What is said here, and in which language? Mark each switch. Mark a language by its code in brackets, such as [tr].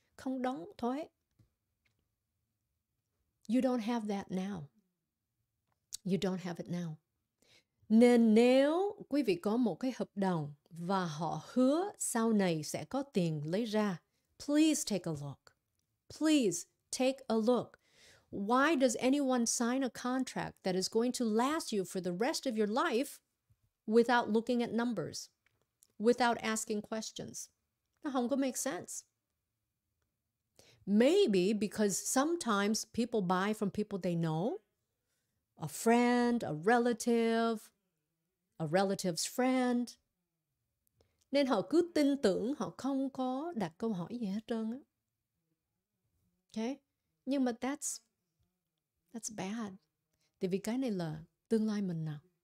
[vi] Không đóng thuế. [en] You don't have that now. You don't have it now. [vi] Nên nếu quý vị có một cái hợp đồng và họ hứa sau này sẽ có tiền lấy ra, [en] please take a look. Please take a look. Why does anyone sign a contract that is going to last you for the rest of your life without looking at numbers, without asking questions. Now, how could make sense? Maybe because sometimes people buy from people they know, a friend, a relative's friend. [vi] Nên họ cứ tin tưởng họ không có đặt câu hỏi gì hết trơn. Okay? Nhưng mà [en] that's bad. [vi] Tại vì cái này là tương lai mình nào.